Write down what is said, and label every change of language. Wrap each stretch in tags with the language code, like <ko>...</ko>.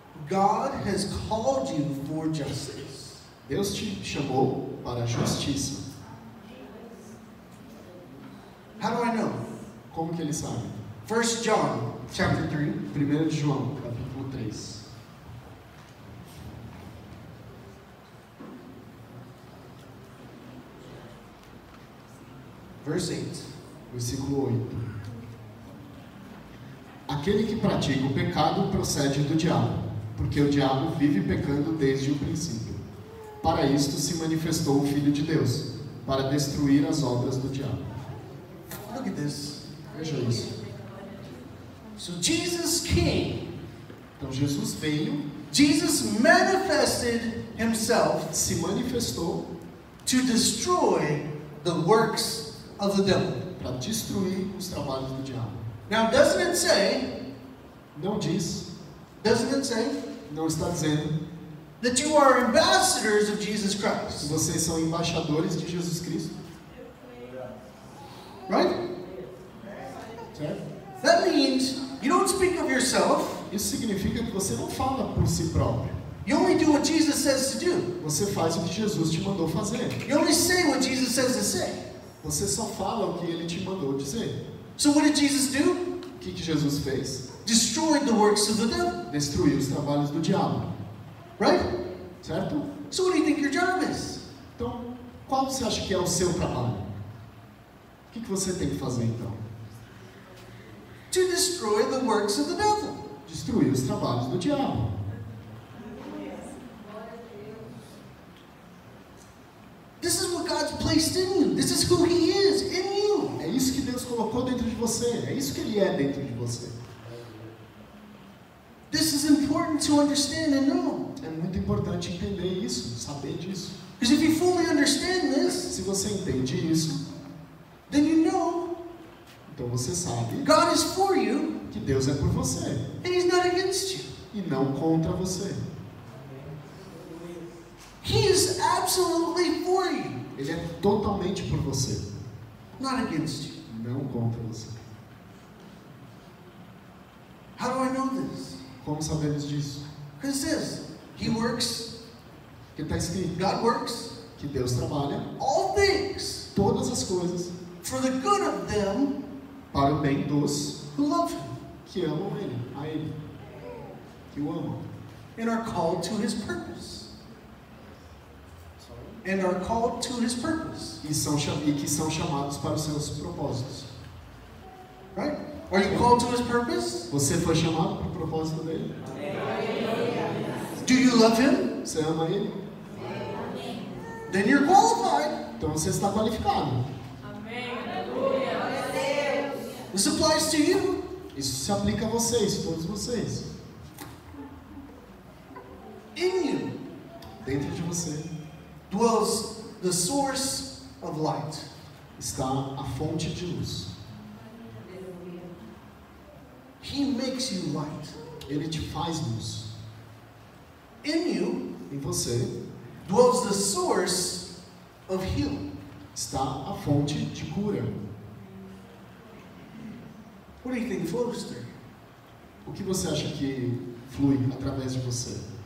<en>God has called you for justice.</en> <pt>Deus te chamou para justiça.</pt> <en>How do I know?</en> <pt>Como que ele sabe?</pt> <en>1 John chapter 3.</en> <pt>1 João, capítulo 3.</pt> <en>Verse 8.</en> <pt>Versículo 8. Aquele que pratica o pecado procede do diabo, porque o diabo vive pecando desde o princípio. Para isto se manifestou o Filho de Deus, para destruir as obras do diabo.</pt> <en>Look at this.</en> <pt>Veja isso.</pt> <en>So Jesus came.</en> <pt>Então Jesus veio.</pt> <en>Jesus manifested himself.</en> <pt>Se manifestou.</pt> <en>To destroy the works of the devil.</en> <pt>Para destruir os trabalhos do diabo.</pt> <en>Now doesn't it say?</en> <pt>Não diz.</pt> <en>Doesn't it say?</en> <pt>Não está dizendo.</pt> <en>That you are ambassadors of Jesus Christ.</en> <pt>Vocês são embaixadores de Jesus Cristo.</pt> <en>Right?</en> <pt>Certo?</pt> <en>That means you don't speak of yourself.</en> <pt>Isso significa que você não fala por si próprio.</pt> <en>You only do what Jesus says to do.</en> <pt>Você faz o que Jesus te mandou fazer.</pt> <en>You only say what Jesus says to say.</en> <pt>Você só fala o que ele te mandou dizer.</pt> <en>So what did Jesus do?</en> <pt>Que Jesus fez?</pt> <en>Destroyed the works of the devil.</en> <pt>Destruiu os trabalhos do diabo.</pt> <en>Right?</en> <pt>Certo?</pt> <en>So what do you think your job is?</en> <pt>Então, qual você acha que é o seu trabalho? O que você tem que fazer então?</pt> <en>To destroy the works of the devil.</en> <pt>Destruir os trabalhos do diabo.</pt> <en>This is what God's placed in you. This is who He is in you.</en> <pt>É isso que Deus colocou dentro de você. É isso que Ele é dentro de você.</pt> <en>This is important to understand and know.</en> <pt>É muito importante entender isso, saber disso.</pt> <en>Because if you fully understand this,</en> <pt>se você entende isso,</pt> <en>then you know.</en> <pt>Então você sabe.</pt> <en>God is for you.</en> <pt>Que Deus é por você.</pt> <en>And He's not against you.</en> <pt>E não contra você.</pt> <en>He is absolutely for you.</en> <pt>Ele é totalmente por você.</pt> <en>Not against you.</en> <pt>Não contra você.</pt> <en>How do I know this?</en> <pt>Como sabemos disso?</pt> <en>Because it says, He works.</en> <pt>Que está escrito?</pt> <en>God works.</en> <pt>Que Deus trabalha.</pt> <en>All things.</en> <pt>Todas as coisas.</pt> <en>For the good of them.</en> <pt>Para o bem dos.</pt> <en>Who love Him.</en> <pt>Que amam Ele. A Ele. Que o amam.</pt> <en>And are called to His purpose. And are called to His purpose.</en> <pt>E que são chamados para os seus propósitos.</pt> <en>Right? Are you called to His purpose?</en> <pt>Você foi chamado para o propósito dele?</pt> <en>Do you love Him?</en> <pt>Você ama Ele?</pt> <en>Then you're qualified.</en> <pt>Então você está qualificado.</pt> <en>This applies to you.</en> <pt>Isso se aplica a vocês, todos vocês.</pt> <en>In you.</en> <pt>Dentro de você.</pt> <en>Dwells the source of light.</en> <pt>Está a fonte de luz.</pt> <en>He makes you light.</en> <pt>Ele te faz luz.</pt> <en>In you.</en> <pt>Em você.</pt> <en>Dwells the source of healing.</en> <pt>Está a fonte de cura.</pt> <en>What do you think flows there?</en> <pt>O que você acha que flui através de você?</pt>